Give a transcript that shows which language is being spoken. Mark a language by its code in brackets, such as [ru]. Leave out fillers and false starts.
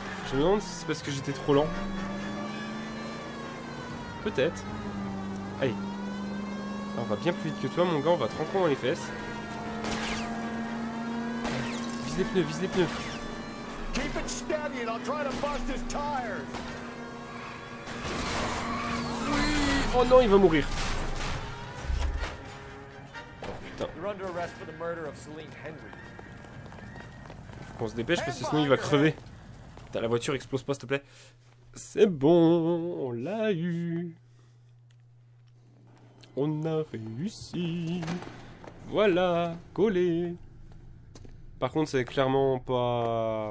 [fr] Je me demande si c'est parce que j'étais trop lent. Peut-être. Allez. On va bien plus vite que toi, mon gars. On va te rentrer dans les fesses. Vise les pneus, vise les pneus. [en] Keep it steady and I'll try to bust his tires. [fr] Oui. Oh non, il va mourir. Oh putain. [en] You're under arrest for the murder of Celine Henry. [fr] Faut qu'on se dépêche parce que sinon il va crever. Putain, la voiture explose pas, s'il te plaît. C'est bon, on l'a eu. On a réussi. Voilà, collé. Par contre, c'est clairement pas...